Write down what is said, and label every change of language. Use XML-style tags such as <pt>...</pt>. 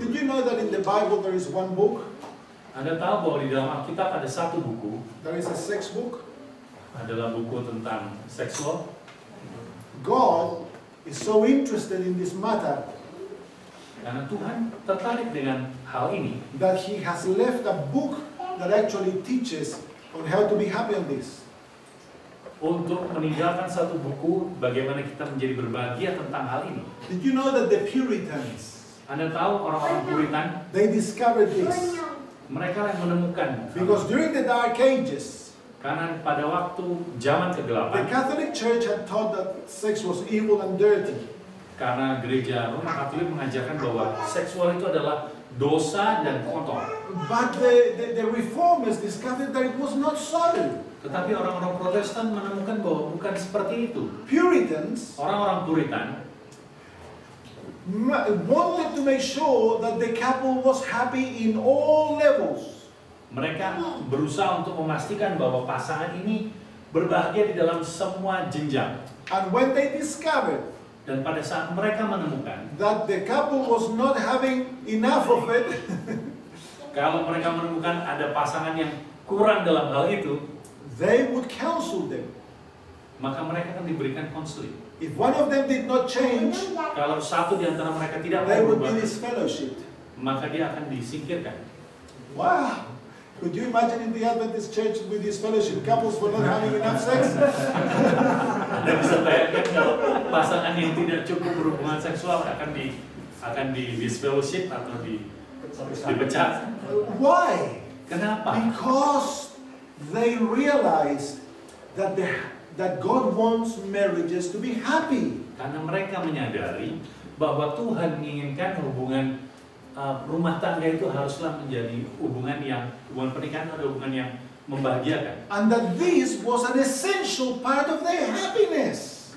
<en>Did you know that in the Bible there is one book?</en> <id>Anda tahu bahwa di dalam Alkitab ada satu buku.</id> <en>There is a sex book.</en> <id>Adalah buku tentang seksual.</id> <en>God is so interested in this matter.</en> <id>Karena Tuhan tertarik dengan hal ini.</id> <en>That He has left a book that actually teaches on how to be happy on this.</en> <id>Untuk meninggalkan satu buku bagaimana kita menjadi berbahagia tentang hal ini.</id> <en>Did you know that the Puritans?</en> <id>Anda tahu orang-orang Puritan?</id> <en>They discovered this.</en> <id>Mereka yang menemukan.</id> <en>Because during the Dark Ages.</en> <id>Karena pada waktu zaman kegelapan.</id> <en>The Catholic Church had taught that sex was evil and dirty.</en> <id>Karena gereja Roma Katolik mengajarkan bahwa seksual itu adalah dosa dan kotor.</id> <en>But the Reformers discovered that it was not so.</en> <id>Tetapi orang-orang Protestan menemukan bahwa bukan seperti itu.</id> <en>Puritans,</en> <id>orang-orang Puritan,</id> <en>wanted to make sure that the couple was happy in all levels.</en> <id>Mereka berusaha untuk memastikan bahwa pasangan ini berbahagia di dalam semua jenjang.</id> <en>And when they discovered,</en> <id>dan pada saat mereka menemukan,</id> <en>that the couple was not having enough of it.</en> <id>Kalau mereka menemukan ada pasangan yang kurang dalam hal itu,</id> <en>they would counsel them.</en> <id>Maka mereka akan diberikan counseling.</id> <en>If one of them did not change,</en> <id>kalau satu di antara mereka tidak berubah,</id> <en>they would be disfellowshipped.</en> <id>Maka dia akan disingkirkan.</id> <en>Wow, could you imagine in the Adventist Church with disfellowship couples for not having enough sex?</en> <id>Anda bisa bayangkan kalau pasangan yang tidak cukup berhubungan seksual akan di disfellowship atau dipecat.</id> <en>Why?</en> <id>Kenapa?</id> <en>Because they realized that God wants marriages to be happy.</en> <id>Karena mereka menyadari bahwa Tuhan menginginkan hubungan rumah tangga itu haruslah menjadi hubungan yang hubungan pernikahan atau hubungan yang membahagiakan.</id> <en>And that this was an essential part of their happiness.</en>